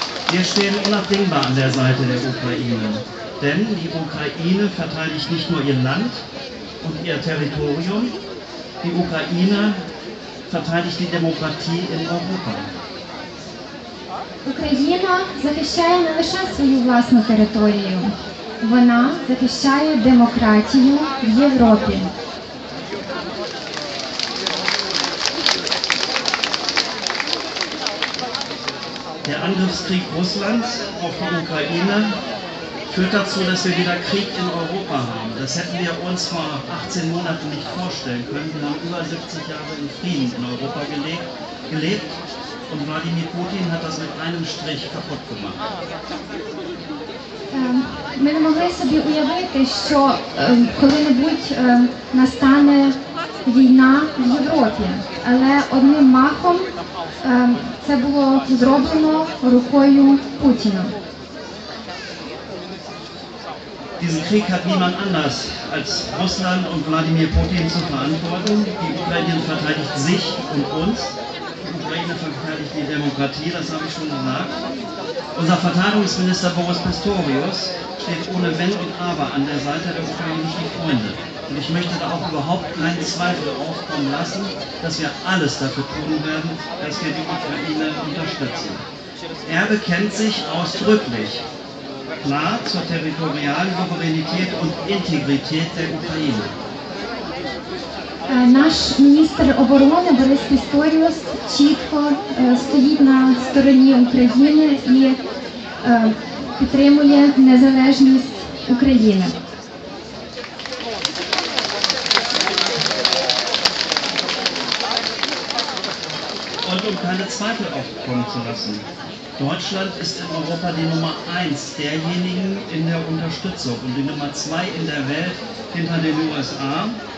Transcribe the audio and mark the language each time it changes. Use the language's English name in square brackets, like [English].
[German] Wir stehen unabdingbar an der Seite der Ukraine, denn die Ukraine verteidigt nicht nur ihr Land und ihr Territorium, die Ukraine verteidigt die Demokratie in Europa. [Ukrainian] Україна захищає не лише свою власну територію, вона захищає демократію в Європі. [German] Der Angriffskrieg Russlands auf die Ukraine führt dazu, dass wir wieder Krieg in Europa haben. Das hätten wir uns vor 18 Monaten nicht vorstellen können. Wir haben über 70 Jahre in Frieden in Europa gelebt. Und Wladimir Putin hat das mit einem Strich kaputt gemacht. [Ukrainian] Ми не могли собі уявити, що коли-небудь настане війна в Європі. Але одним махом це було зроблено рукою Путіна. [German] diesen Krieg hat niemand anders als Russland und Wladimir Putin zu verantworten. Die Ukraine verteidigt sich und uns. Die Ukraine verteidigt die Demokratie, das habe ich schon gesagt. Unser Verteidigungsminister Boris Pistorius steht ohne Wenn und Aber an der Seite der ukrainischen Freunde. Und ich möchte da auch überhaupt keinen Zweifel aufkommen lassen, dass wir alles dafür tun werden, dass wir die Ukraine unterstützen. Er bekennt sich ausdrücklich klar zur territorialen Souveränität und Integrität der Ukraine. [Ukrainian] Наш міністр оборони Борис Пісторіус чітко стоїть на стороні України і підтримує незалежність України. [German] Und um keine Zweifel aufkommen zu lassen. Deutschland ist in Europa die Nummer 1 derjenigen in der Unterstützung und die Nummer 2 in der Welt hinter den USA.